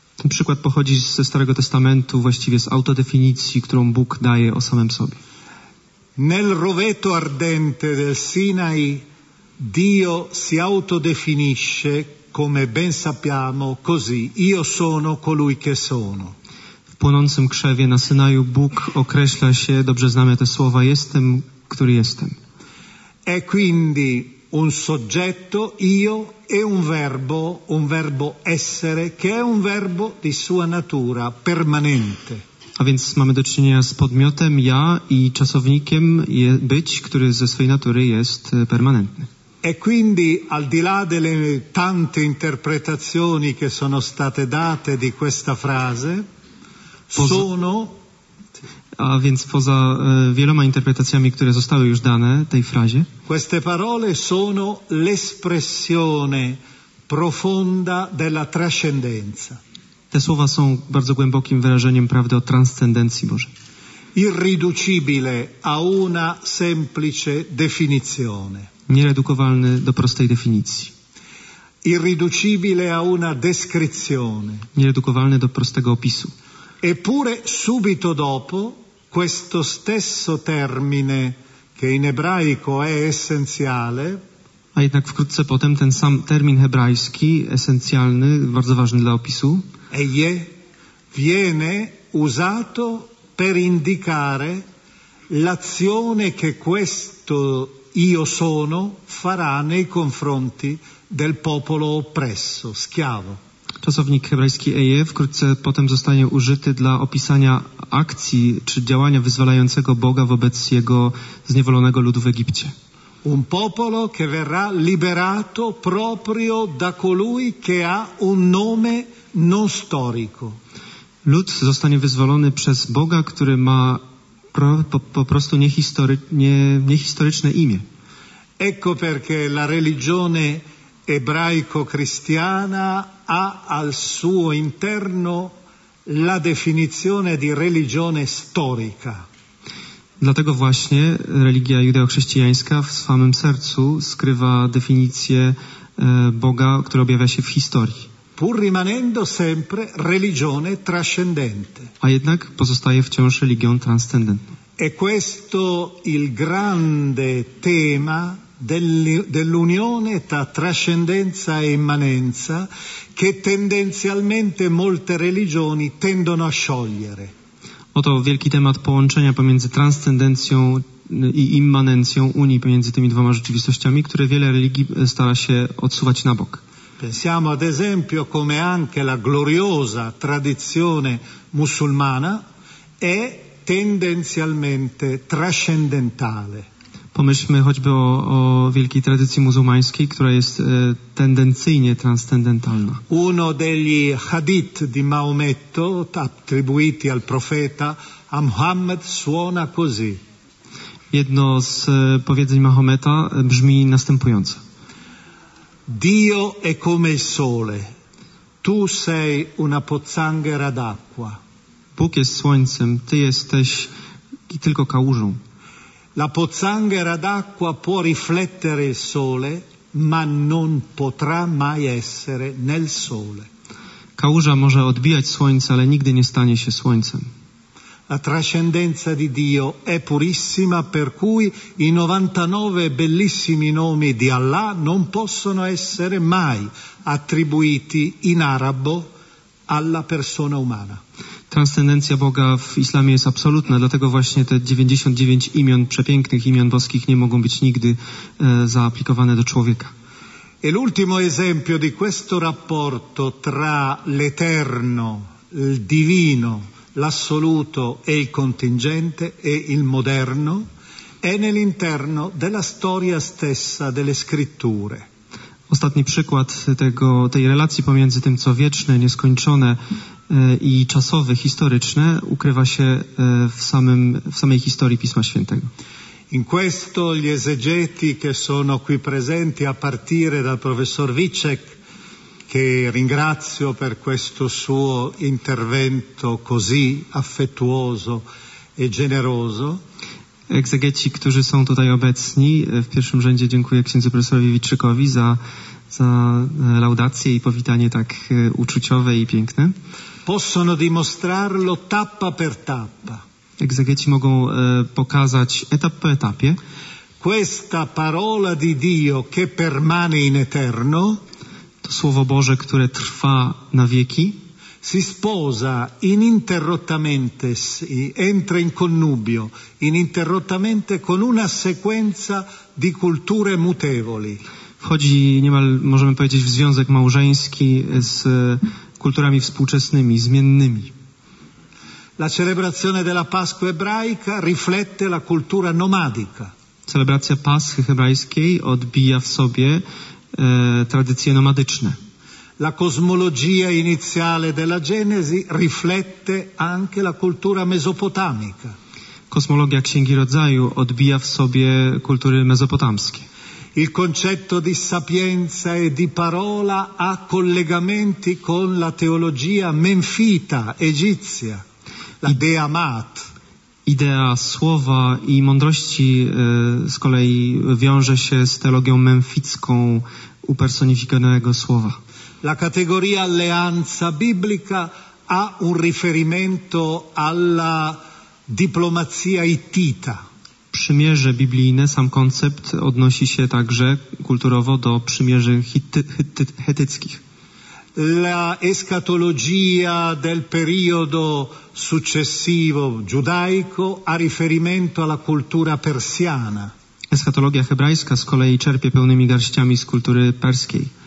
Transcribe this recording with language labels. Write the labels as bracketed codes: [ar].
[pl] Ten przykład pochodzi ze Starego Testamentu, właściwie z autodefinicji, którą Bóg daje o samym sobie. [it] Nel roveto ardente del Sinai Dio si autodefinisce, come ben sappiamo, così: io sono colui che sono. [pl] W płonącym krzewie na Synaju Bóg określa się, dobrze znamy te słowa, jestem, który jestem. [it] E quindi un soggetto, io, e un verbo essere, che è un verbo di sua natura permanente. [pl] A więc mamy do czynienia z podmiotem ja i czasownikiem być, który ze swej natury jest permanentny. [it] E quindi al di là delle tante interpretazioni che sono state date di questa frase, sono. [pl] A więc poza wieloma interpretacjami, które zostały już dane tej frazie. [it] Queste parole sono l'espressione profonda della trascendenza. [pl] Te słowa są bardzo głębokim wyrażeniem prawdy o transcendencji Bożej. [it] Irriducibile a una semplice definizione. [pl] Nieredukowalny do prostej definicji. [it] Irriducibile a una descrizione. [pl] Nieredukowalny do prostego opisu. [it] Eppure subito dopo questo stesso termine che in ebraico è essenziale. [pl] A jednak wkrótce potem ten sam termin hebrajski, esencjalny, bardzo ważny dla opisu. [it] Eje viene usato per indicare l'azione che questo io sono farà nei confronti del popolo oppresso, schiavo. [pl] Czasownik hebrajski eje wkrótce potem zostanie użyty dla opisania akcji czy działania wyzwalającego Boga wobec jego zniewolonego ludu w Egipcie. [it] Un popolo che verrà liberato proprio da colui che ha un nome non storico. [pl] Lud zostanie wyzwolony przez Boga, który ma po prostu niehistoryczne imię. [it] Ecco perché la religione ebraico-cristiana ha al suo interno la definizione di religione storica. [pl] Dlatego właśnie religia judeo-chrześcijańska w swoim sercu skrywa definicję Boga, który objawia się w historii. [it] Pur rimanendo sempre religione trascendente. [pl] A jednak pozostaje wciąż religią transcendentną. [it] E questo il grande tema dell'unione tra trascendenza e immanenza che tendenzialmente molte religioni tendono a sciogliere. [pl] Oto wielki temat połączenia pomiędzy transcendencją i immanencją, unii pomiędzy tymi dwoma rzeczywistościami, które wiele religii stara się odsuwać na bok. [it] Pensiamo ad esempio come anche la gloriosa tradizione musulmana è tendenzialmente trascendentale. [pl] Pomyślmy choćby o wielkiej tradycji muzułmańskiej, która jest tendencyjnie transcendentalna. [it] Uno degli hadith di Maometto attribuiti al profeta a Muhammad suona così. [pl] Jedno z powiedzeń Mahometa brzmi następująco. [it] Dio è come il sole. Tu sei una pozzanghera d'acqua. [pl] Bóg jest słońcem, ty jesteś tylko kałużą. [it] La pozzanghera d'acqua può riflettere il sole, ma non potrà mai essere nel sole. [pl] Kałuża może odbijać słońce, ale nigdy nie stanie się słońcem. [it] La trascendenza di Dio è purissima, per cui i 99 bellissimi nomi di Allah non possono essere mai attribuiti in arabo alla persona umana. [pl] Transcendencja Boga w islamie jest absolutna, dlatego właśnie te 99 imion, przepięknych imion boskich, nie mogą być nigdy zaaplikowane do człowieka. [it] E l'ultimo esempio di questo rapporto tra l'eterno, il divino, l'assoluto e il contingente e il moderno è nell'interno della storia stessa delle scritture. [pl] Ostatni przykład tej relacji pomiędzy tym, co wieczne, nieskończone i czasowe, historyczne, ukrywa się w samej historii Pisma Świętego. [it] In questo gli esegeti che sono qui presenti, a partire dal professor Wicek, che ringrazio per questo suo intervento così affettuoso e generoso. [pl] Egzegeci, którzy są tutaj obecni, w pierwszym rzędzie dziękuję księdzu profesorowi Wiczykowi za laudację i powitanie tak uczuciowe i piękne. [it] Possono dimostrarlo tappa per tappa. [pl] Egzegeci mogą pokazać etap po etapie. [it] Questa parola di Dio che permane in eterno. [pl] To słowo Boże, które trwa na wieki. [it] Si sposa ininterrottamente, entra in connubio ininterrottamente con una sequenza di culture mutevoli. [pl] Wchodzi niemal, możemy powiedzieć, w związek małżeński z kulturami współczesnymi, zmiennymi. [it] La celebrazione della Pasqua ebraica riflette la cultura nomadica. [pl] Celebracja Paschy hebrajskiej odbija w sobie tradycje nomadyczne. [it] La cosmologia iniziale della Genesi riflette anche la cultura mesopotamica. [pl] Kosmologia Księgi Rodzaju odbija w sobie kultury mezopotamskie. [it] Il concetto di sapienza e di parola ha collegamenti con la teologia menfita, egizia, la dea Maat. [pl] Idea słowa i mądrości z kolei wiąże się z teologią memficką upersonifikowanego słowa. [it] La categoria alleanza biblica ha un riferimento alla diplomazia ittita. [pl] Przymierze biblijne, sam koncept odnosi się także kulturowo do przymierzy hetyckich. [it] La eschatologia del periodo successivo giudaico ha riferimento alla cultura persiana. [pl] Eschatologia hebrajska z kolei czerpie pełnymi garściami z kultury perskiej.